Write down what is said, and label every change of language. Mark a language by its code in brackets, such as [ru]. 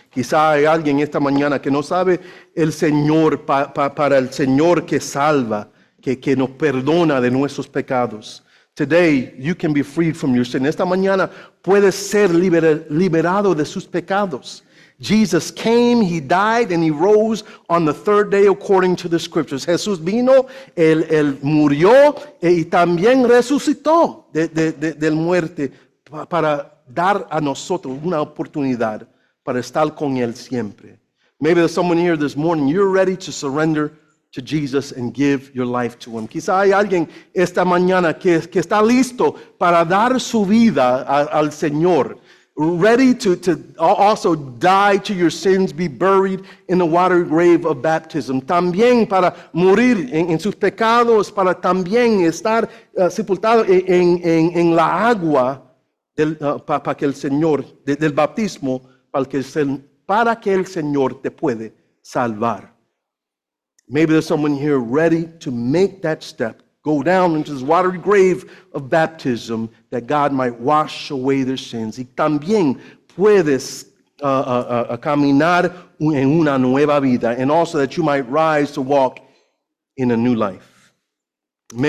[es] Quizá hay alguien esta mañana que no sabe el Señor para el Señor que salva, que nos perdona de nuestros pecados. [en] Today, you can be freed from your sin. [es] Esta mañana, puedes ser liberado de sus pecados. [en] Jesus came, he died, and he rose on the third day according to the scriptures. [es] Jesús vino, él murió, y también resucitó del muerte para dar a nosotros una oportunidad para estar con él siempre. [en] Maybe there's someone here this morning, you're ready to surrender to Jesus and give your life to him. [es] Quizá hay alguien esta mañana que está listo para dar su vida al Señor. [en] Ready to also die to your sins, be buried in the watery grave of baptism. [es] También para morir en sus pecados, para también estar sepultado en la agua del bautismo, para que el Señor te puede salvar. [en] Maybe there's someone here ready to make that step. Go down into this watery grave of baptism that God might wash away their sins. [es] Y también puedes caminar en una nueva vida. [en] And also that you might rise to walk in a new life. Maybe